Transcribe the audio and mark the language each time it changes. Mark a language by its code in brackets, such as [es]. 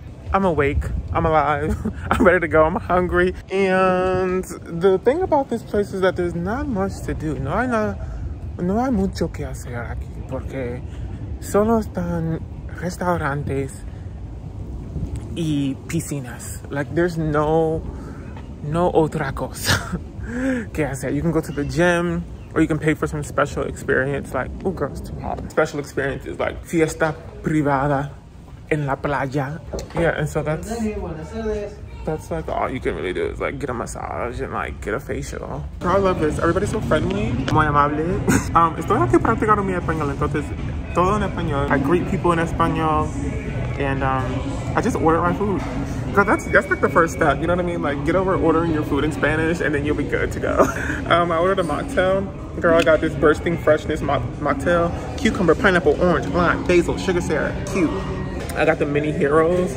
[en] I'm awake, I'm alive, I'm ready to go, I'm hungry. And the thing about this place is that there's not much to do. [es] No hay mucho que hacer aquí, porque solo están restaurantes y piscinas. [en] Like, there's no [es] otra cosa que hacer. [en] You can go to the gym, or you can pay for some special experience, like, ooh, girl, it's too hot. Special experiences like [es] fiesta privada [en] in la playa. Yeah, and so that's like all you can really do is like get a massage and like get a facial. Girl, I love this. Everybody's so friendly. [es] Muy amable. Estoy aquí practicando mi español, entonces todo en español. [en] I greet people in español, and I just order my food. Girl, that's like the first step, you know what I mean? Like, get over ordering your food in Spanish and then you'll be good to go. I ordered a mocktail. Girl, I got this bursting freshness mocktail. Cucumber, pineapple, orange, lime, basil, sugar syrup, cute. I got the mini heroes.